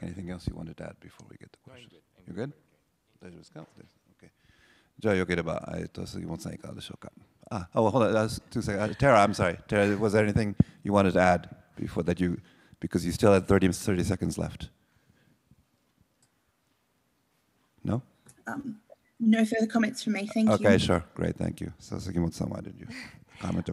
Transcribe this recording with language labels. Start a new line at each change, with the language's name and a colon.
English: anything else you wanted to add before we get the question? You good?
Japanese: 大丈夫ですか？じゃあ、よければ、杉本さん、いかがでしょうか？
English: Tara, I'm sorry. Tara, was there anything you wanted to add before that you, because you still had 30 seconds left? No? No further comments from me. Thank you. Okay, sure. Great. Thank you. So, Sugimoto-san, why didn't you comment or